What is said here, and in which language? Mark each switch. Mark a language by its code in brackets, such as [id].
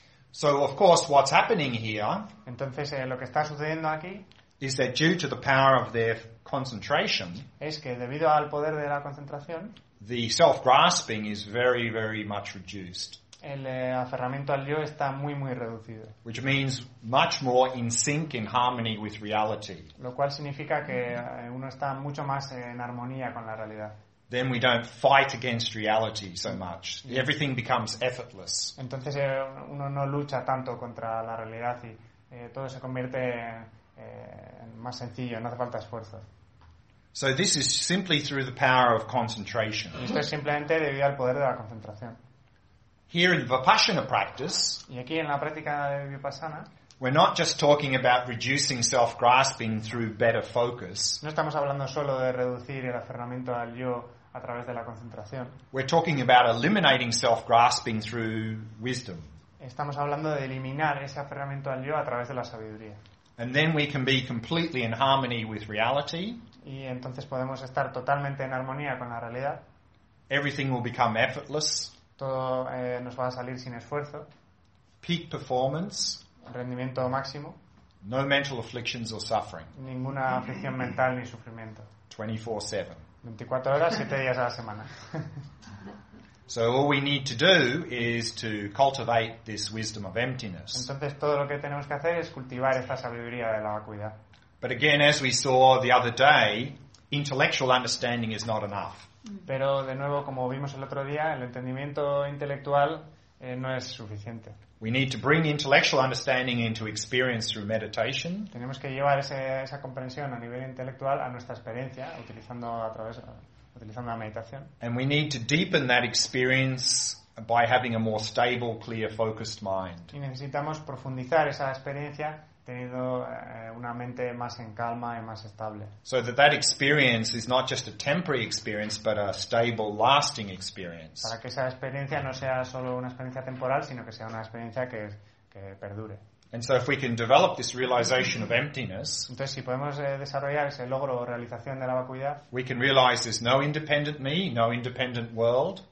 [en] So of course what's happening here, [es] entonces lo que está sucediendo aquí, [en] is that due to the power of their concentration, [es] es que debido al poder de la concentración, [en] the self-grasping is very, very much reduced. [es] El aferramiento al yo está muy muy reducido. [en] Which means much more in sync in harmony with reality. [es] Lo cual significa que uno está mucho más en armonía con la realidad. [en] Then we don't fight against reality so much. Yes. Everything becomes effortless. [es] Entonces uno no lucha tanto contra la realidad y todo se convierte en más sencillo, no hace falta esfuerzo. [en] So this is simply through the power of concentration. [es] Esto es simplemente debido al poder de la concentración. [en] Here in the Vipassana practice, [es] y aquí en la práctica de Vipassana, [en] we're not just talking about reducing self-grasping through better focus. [es] No estamos hablando solo de reducir el aferramiento al yo a través de la concentración. [en] We're talking about eliminating self-grasping through wisdom. [es] Estamos hablando de eliminar ese aferramiento al yo a través de la sabiduría. [en] And then we can be completely in harmony with reality. [es] Y entonces podemos estar totalmente en armonía con la realidad. [en] Everything will become effortless. [es] Todo nos va a salir sin esfuerzo. [en] Peak performance. [es] Rendimiento máximo. [en] No mental afflictions or suffering. [es] Ninguna aflicción mental ni sufrimiento. [en] 24/7. [es] 24 horas, 7 días a la semana. [en] So all we need to do is to cultivate this wisdom of emptiness. [es] Entonces todo lo que tenemos que hacer es cultivar esta sabiduría de la vacuidad. [en] But again, as we saw the other day, intellectual understanding is not enough. [es] Pero de nuevo, como vimos el otro día, el entendimiento intelectual no es suficiente. [en] We need to bring intellectual understanding into experience through meditation. [es] Tenemos que llevar esa comprensión a nivel intelectual a nuestra experiencia utilizando la meditación. [en] And we need to deepen that experience by having a more stable, clear, focused mind. [es] Y necesitamos profundizar esa experiencia teniendo una mente más en calma y más estable. [en] So that experience is not just a temporary experience, but a stable, lasting experience. [es] Para que esa experiencia no sea solo una experiencia temporal, sino que sea una experiencia que perdure. [en] And so if we can develop this realization of emptiness, [es] entonces si podemos desarrollar ese logro o realización de la vacuidad, [en] we can realize there's no independent me, no independent world.